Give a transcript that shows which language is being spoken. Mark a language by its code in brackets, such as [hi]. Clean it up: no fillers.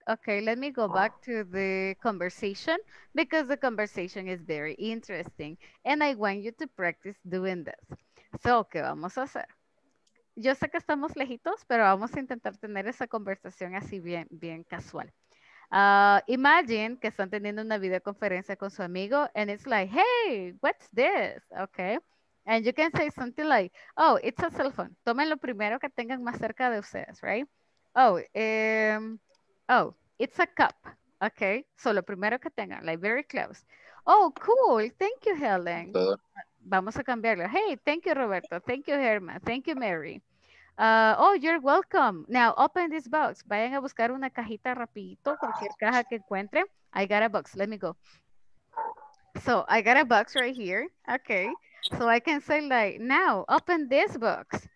[en] Okay, let me go back to the conversation because the conversation is very interesting and I want you to practice doing this. [es] So ¿qué vamos a hacer? Yo sé que estamos lejitos, pero vamos a intentar tener esa conversación así bien, bien casual. Imagine que están teniendo una videoconferencia con su amigo [en] and it's like, hey, what's this? [es] Okay. [en] And you can say something like, oh, it's a cell phone. [es] Tomen lo primero que tengan más cerca de ustedes, right? [en] Oh, it's a cup. Okay. So [es] lo primero que tengan, [en] like very close. Oh, cool. Thank you, Helen. [es] Vamos a cambiarlo. [en] Hey, thank you, Roberto. Thank you, Herman. Thank you, Mary. Oh, you're welcome. Now, open this box. [es] Vayan a buscar una cajita rapidito, cualquier caja que encuentren. [en] I got a box. Let me go. So, I got a box right here. Okay. So, I can say like, now, open this box.